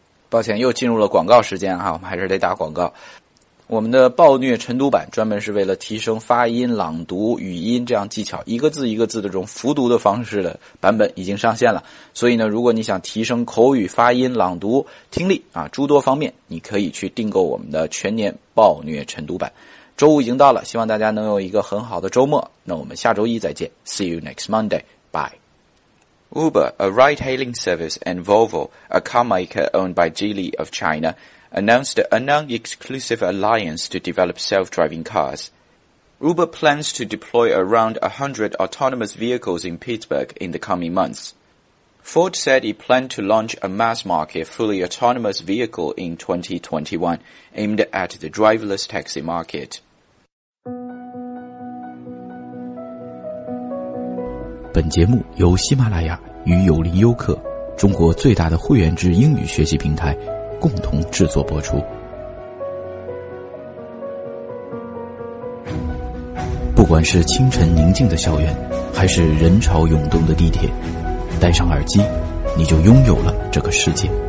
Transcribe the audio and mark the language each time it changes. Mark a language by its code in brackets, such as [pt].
[zh] 抱歉又进入了广告时间啊，我们还是得打广告。我们的暴虐晨读版专门是为了提升发音、朗读、语音这样技巧，一个字一个字的这种复读的方式的版本已经上线了。所以呢，如果你想提升口语、发音、朗读、听力啊诸多方面，你可以去订购我们的全年暴虐晨读版。周五已经到了，希望大家能有一个很好的周末。那我们下周一再见 [en] ，See you next Monday, bye。 Uber, a ride-hailing service, and Volvo, a car maker owned by Geely of China. Announced a non-exclusive alliance to develop self-driving cars. Uber plans to deploy around 100 autonomous vehicles in Pittsburgh in the coming months. Ford said it planned to launch a mass-market fully autonomous vehicle in 2021, aimed at the driverless taxi market. [zh] This 节目由喜马拉雅与有林优客，中国最大的会员制英语学习平台。共同制作播出。不管是清晨宁静的校园，还是人潮涌动的地铁，戴上耳机，你就拥有了这个世界。